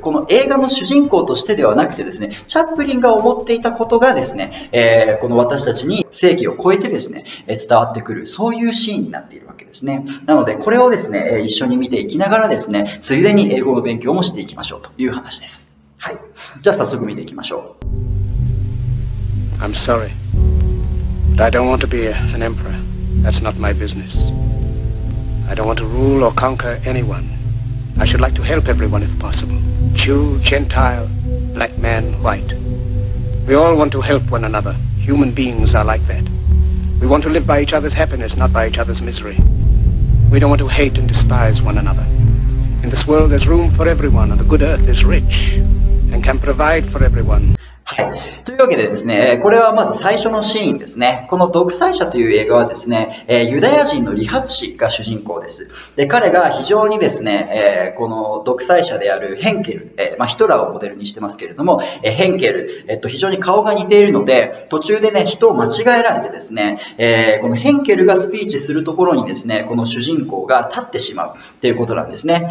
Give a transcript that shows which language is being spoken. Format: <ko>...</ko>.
<ja>この映画の主人公としてではなくてですね、チャップリンが思っていたことがですね、この私たちに正義を超えてですね、伝わってくる、そういうシーンになっているわけですね。なので、これをですね、一緒に見ていきながらですね、ついでに英語の勉強もしていきましょうという話です。はい。じゃあ早速見ていきましょう。</ja> <en>I'm sorry But I don't want to be an emperor. That's not my business. I don't want to rule or conquer anyone. I should like to help everyone if possible. Jew, Gentile, black man, white. We all want to help one another. Human beings are like that. We want to live by each other's happiness, not by each other's misery. We don't want to hate and despise one another. In this world, there's room for everyone, and the good earth is rich and can provide for everyone.</en> <ja>はい。というわけでですね、これはまず最初のシーンですね。この独裁者という映画はですね、ユダヤ人の理髪師が主人公です。で、彼が非常にですね、この独裁者であるヘンケル、まあ、ヒトラーをモデルにしてますけれども、ヘンケル、非常に顔が似ているので、途中でね、人を間違えられてですね、このヘンケルがスピーチするところにですね、この主人公が立ってしまうということなんですね。</ja>